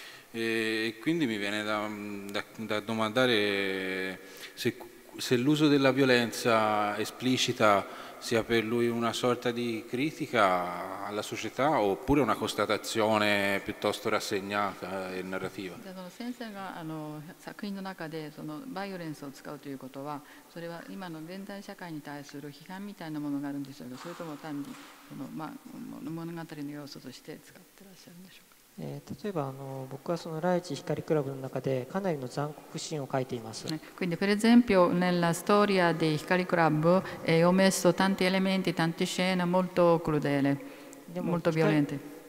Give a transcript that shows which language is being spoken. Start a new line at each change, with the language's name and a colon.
Japanese: E quindi mi viene da domandare se l'uso della violenza esplicita sia per lui una sorta di critica alla società oppure una constatazione piuttosto rassegnata e narrativa. その先生が作品の中でバイオレンスを使うということは、それは今の現代社会に対する批判みたいなものがあるんでしょうか、それとも単に物語の要素として使ってらっしゃるんでしょうか。
Italian: Quindi per esempio nella storia di Hikari Club ho messo tanti elementi, tante scene molto crudele, molto violente.